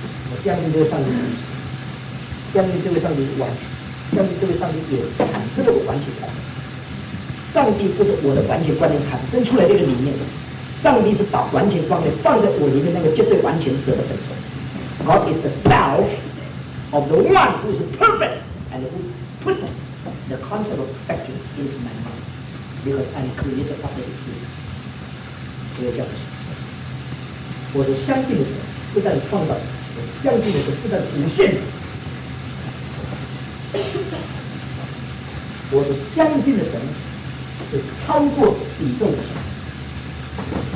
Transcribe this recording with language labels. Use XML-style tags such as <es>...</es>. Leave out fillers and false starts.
<zh>我相信这位上帝，相信这位上帝是完全，相信这位上帝有产生这个完全观念。上帝不是我的完全观念产生出来的一个理念，上帝是把完全观念放在我里面那个绝对完全者的本身。</zh> <en>God is the self of the one who is perfect and who put the concept of perfection into my mind because I'm created by the Spirit.</en> <zh>这个叫做什么？我是相信的神，不但创造。我相信的是不但无限的，我所相信的神是超过宇宙的神。</zh>